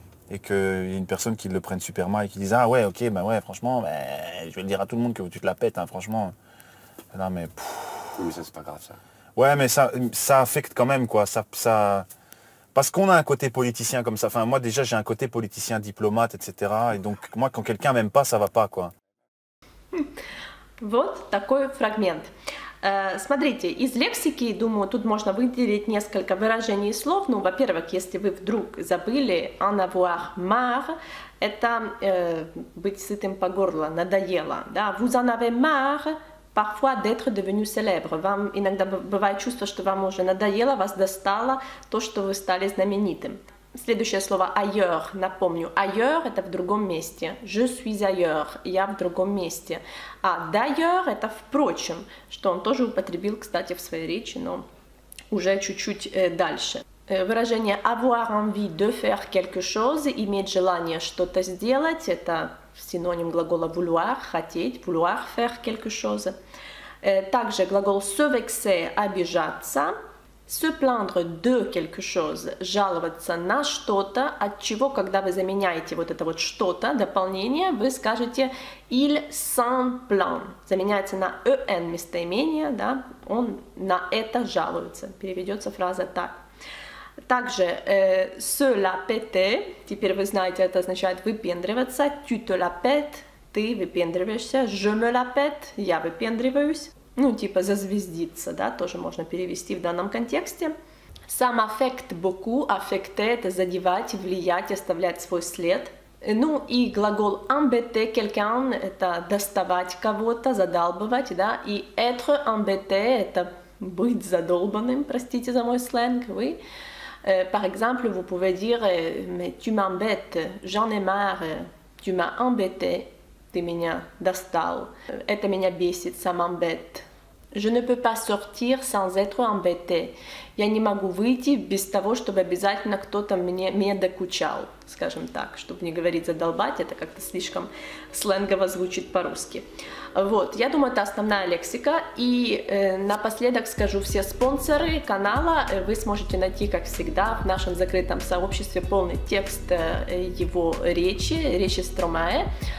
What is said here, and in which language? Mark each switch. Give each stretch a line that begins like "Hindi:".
French: Et qu'il y a une personne qui le prenne super mal et qui dise « Ah ouais, ok, bah ouais, franchement, bah, je vais le dire à tout le monde que tu te la pètes, hein, franchement. » Non, mais... Oui, mais ça, c'est pas grave, ça. Ouais, mais ça affecte quand même, quoi. Ça... Parce qu'on a un côté politicien comme ça. Enfin, moi, déjà, j'ai un côté politicien, diplomate, etc. Et donc, moi, quand quelqu'un m'aime pas, ça va pas, quoi.
Russian: Вот такой фрагмент. Смотрите, из лексики, думаю, тут можно выделить несколько выражений и слов. Ну, во-первых, если вы вдруг забыли
French: «en avoir marre»,
Russian: это быть сытым по горло, надоело. Да?
French: «Vous en avez marre» – parfois d'être devenu célèbre.
Russian: Вам иногда бывает чувство, что вам уже надоело, вас достало то, что вы стали знаменитым. Следующее слово «ailleurs», напомню. «Ailleurs» – это в другом месте.
French: «Je suis ailleurs»
Russian: – я в другом месте. А «d'ailleurs» – это «впрочем», что он тоже употребил, кстати, в своей речи, но уже чуть-чуть дальше. Выражение
French: «avoir envie de faire quelque chose»
Russian: – иметь желание что-то сделать – это синоним глагола «vouloir» – «хотеть»,
French: «vouloir faire quelque chose».
Russian: Также глагол
French: «se vexer»
Russian: – «обижаться».
French: Se plaindre de quelque chose,
Russian: жаловаться на что-то, отчего, когда вы заменяете вот это вот что-то, дополнение, вы скажете
French: il s'en plaint.
Russian: Заменяется на en местоимение, да, он на это жалуется. Переведется фраза так. Также
French: se la péter,
Russian: теперь вы знаете, это означает выпендриваться,
French: tu te la pètes,
Russian: ты выпендриваешься,
French: je me la pète,
Russian: я выпендриваюсь. Ну, типа зазвездиться, да, тоже можно перевести в данном контексте. Сам affect beaucoup, affecter – это задевать, влиять, оставлять свой след. Ну, и глагол
French: embêter quelqu'un
Russian: – это доставать кого-то, задалбывать, да. И
French: être embêter
Russian: – это быть задолбанным, простите за мой сленг, oui.
French: Par exemple, vous pouvez dire « Mais tu m'embêtes, j'en ai marre, tu m'as embêté ».
Russian: Ты меня достал. Это меня бесит,
French: ça m'embête. Je ne peux pas sortir sans être embêté.
Russian: Я не могу выйти без того, чтобы обязательно кто-то мне докучал, скажем так, чтобы не говорить задолбать, это как-то слишком сленгово звучит по-русски. Вот, я думаю, это основная лексика. И напоследок скажу, все спонсоры канала вы сможете найти, как всегда, в нашем закрытом сообществе полный текст его речи, речи Стромае.